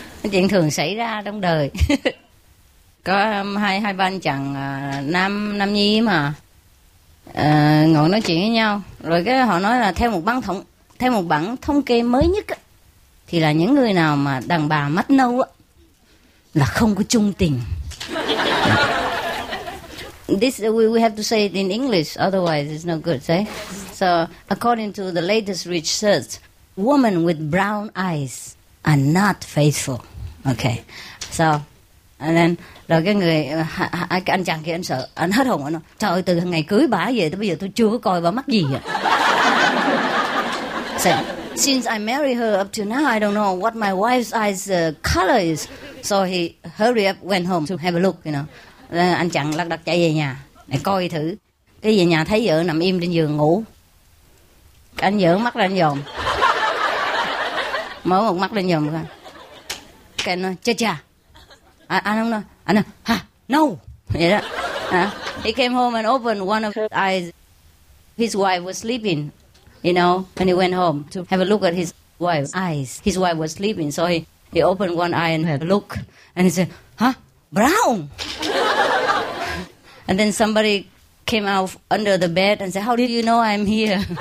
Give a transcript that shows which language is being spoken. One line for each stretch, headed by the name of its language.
Vietnamese: Chuyện thường xảy ra trong đời. Có hai ba anh chàng nam nhi mà ngồi nói chuyện với nhau, rồi cái họ nói là theo một bản thống kê mới nhất á, thì là những người nào mà đàn bà mắt nâu á là không có chung tình.
English: This we have to say it in English, otherwise it's no good, say. So according to the latest research, women with brown eyes are not faithful. Okay. So and then
Vietnamese: rồi cái người anh chàng kia anh sợ, anh hết hồn, anh nói trời ơi, từ ngày cưới bà về tới bây giờ tôi chưa có coi bà mắc gì vậy.
English: So, since I marry her up to now I don't know what my wife's eyes color is. So he hurry up went home to have a look, you know.
Vietnamese: Rồi anh chàng lắc đắc chạy về nhà để coi thử. Cái về nhà thấy vợ nằm im trên giường ngủ. Anh vợ mắt lên dòm, mở một mắt lên dòm coi. Cái nói chết cha. Anh không nói, anh nói ha no vậy đó.
English: He came home and opened one of his eyes. His wife was sleeping, you know, and he went home to have a look at his wife's eyes. His wife was sleeping, so he opened one eye and had a look, and he said, huh, brown. And then somebody came out under the bed and said, how do you know I'm here?